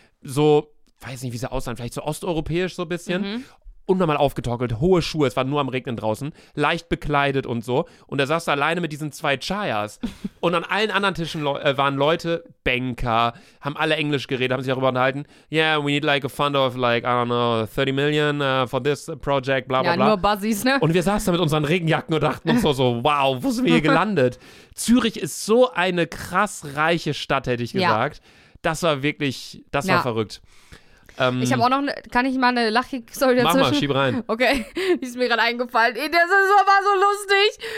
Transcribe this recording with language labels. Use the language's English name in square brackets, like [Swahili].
[German] So, weiß nicht, wie sie aussahen, vielleicht so osteuropäisch so ein bisschen. Mhm. Und nochmal aufgetorkelt, hohe Schuhe, es war nur am Regnen draußen, leicht bekleidet und so. Und da saß er alleine mit diesen zwei Chayas. Und an allen anderen Tischen waren Leute, Banker, haben alle Englisch geredet, haben sich darüber unterhalten. [English] Yeah, we need like a fund of like, I don't know, 30 million for this project, bla bla bla. [German] Ja, nur Buzzies, ne? Und wir saßen da mit unseren Regenjacken und dachten uns so, wow, wo sind wir hier gelandet? Zürich ist so eine krass reiche Stadt, hätte ich gesagt. Ja. Das war wirklich, das war verrückt. Ich habe auch noch, kann ich mal eine Lachig-Story dazwischen? Mach mal, schieb rein. Okay, die ist mir gerade eingefallen. Das ist aber so lustig.